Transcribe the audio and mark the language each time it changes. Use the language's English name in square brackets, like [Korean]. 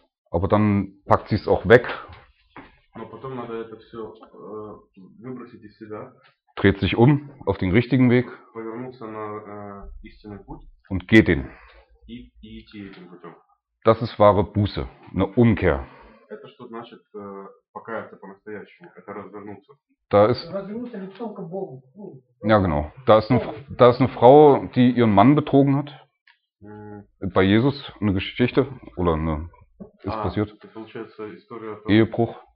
[German] Aber dann packt sie es auch weg. [Russian] Но потом надо это все выбросить из себя. [German] Dreht sich um auf den richtigen Weg. [Russian] Повернулся на истинный путь. [German] Und geht ihn. [Russian] И идти этим путем. [German] Das ist wahre Buße, eine Umkehr. [Russian] Это что значит покаяться по-настоящему? Это развернуться. [German] Da ist. [Russian] Развернуться лицом к Богу. [German] Ja genau. Da ist eine Frau, die ihren Mann betrogen hat. Bei Jesus eine Geschichte oder eine. Ist passiert. Ehebruch.